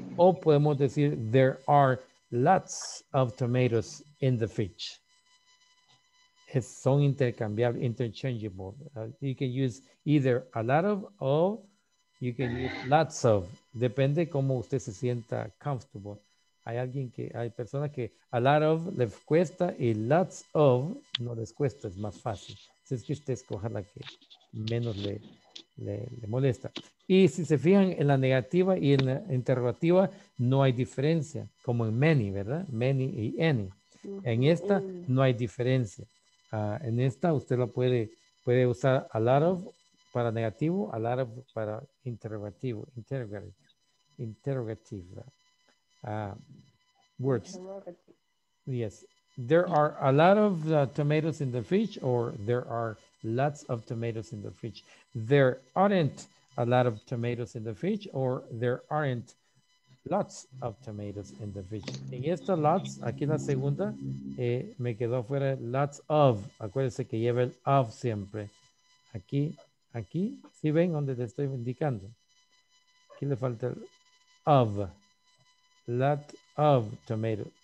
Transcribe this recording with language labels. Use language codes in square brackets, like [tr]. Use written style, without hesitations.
[es] O podemos decir [en] there are lots of tomatoes in the fridge. [es] Son intercambiables, [en] interchangeable. You can use either a lot of or you can use lots of. [es] Depende cómo usted se sienta comfortable. Hay alguien que, hay personas que a lot of les cuesta y lots of no les cuesta, es más fácil. Si es que usted escoja la que menos le molesta. Y si se fijan en la negativa y en la interrogativa, no hay diferencia, como en many, ¿verdad? Many y any. En esta, no hay diferencia. En esta, usted lo puede usar a lot of para negativo, a lot of para interrogativo. Interrogativa. [en] Words. Yes. There are a lot of tomatoes in the fridge, or there are lots of tomatoes in the fridge. There aren't a lot of tomatoes in the fridge, or there aren't lots of tomatoes in the fridge. [es] En esta lots, aquí la segunda, me quedó fuera lots of. Acuérdense que lleva el of siempre. Aquí, si ven donde te estoy indicando. Aquí le falta el of. [en] Lot of tomatoes.